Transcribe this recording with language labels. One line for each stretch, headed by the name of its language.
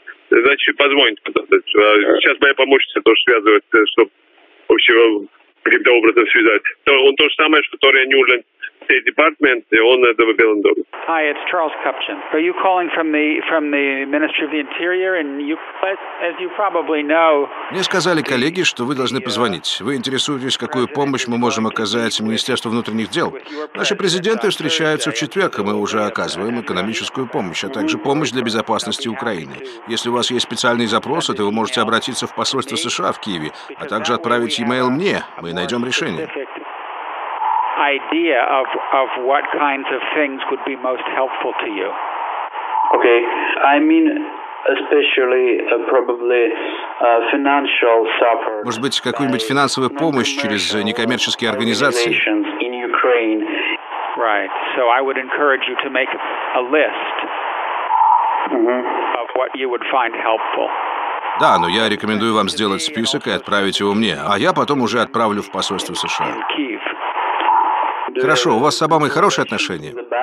Russian: Значит, позвонит. Сейчас моя помощница тоже связывается, чтобы вообще каким-то образом связать. Он то же самое, что Тори Ньюлен.
English: Hi, it's Charles Kupchin. Are you calling from the Ministry of the Interior? And you, as you probably know,
Russian: мне сказали коллеги, что вы должны позвонить. Вы интересуетесь, какую помощь мы можем оказать Министерству внутренних дел? Наши президенты встречаются в четверг, и мы уже оказываем экономическую помощь, а также помощь для безопасности Украины. Если у вас есть специальные запросы, то вы можете обратиться в посольство США в Киеве, а также отправить e-mail мне. Мы найдем решение.
English: Idea of what kinds of things would be most helpful to you. Okay, I mean especially probably financial support.
Russian: Может быть, какую-нибудь финансовую помощь через некоммерческие организации.
English: In Ukraine. Right. So I would encourage you to make a list of what you would find helpful.
Russian: Да, но я рекомендую вам сделать список и отправить его мне, а я потом уже отправлю в посольство США. Хорошо, у вас с Обамой хорошие отношения?